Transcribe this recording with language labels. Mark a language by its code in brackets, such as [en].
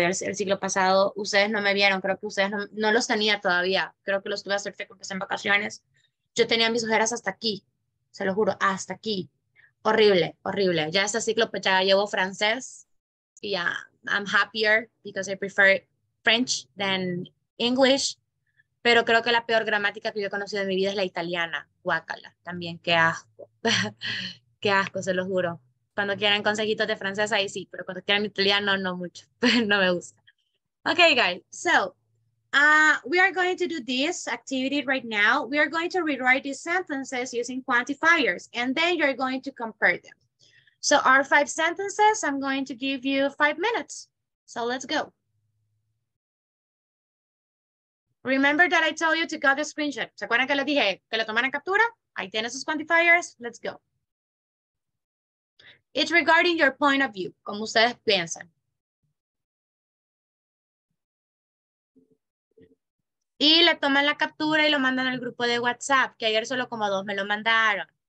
[es] El siglo pasado, ustedes no me vieron, creo que ustedes no los tenía todavía. Creo que los tuve a hacer porque en vacaciones. Yo tenía mis ojeras hasta aquí, se lo juro, hasta aquí. Horrible, horrible. Ya este ciclo pues ya llevo francés. [en] Yeah, I'm happier because I prefer French than English. [es] Pero creo que la peor gramática que yo he conocido en mi vida es la italiana. Guácala, también, qué asco. Qué asco, se lo juro. Cuando quieran consejitos de francés, ahí sí. Pero cuando quieran italiano, no mucho. No me gusta. [en] Okay, guys. So, we are going to do this activity right now. We are going to rewrite these sentences using quantifiers, and then you're going to compare them. So our 5 sentences, I'm going to give you 5 minutes. So let's go. Remember that I told you to get the screenshot. [es] ¿Se acuerdan que les dije que le tomaran captura? Ahí tienen sus quantifiers. [en] Let's go. It's regarding your point of view, [es] como ustedes piensan. Y le toman la captura y lo mandan al grupo de WhatsApp, que ayer solo como 2 me lo mandaron.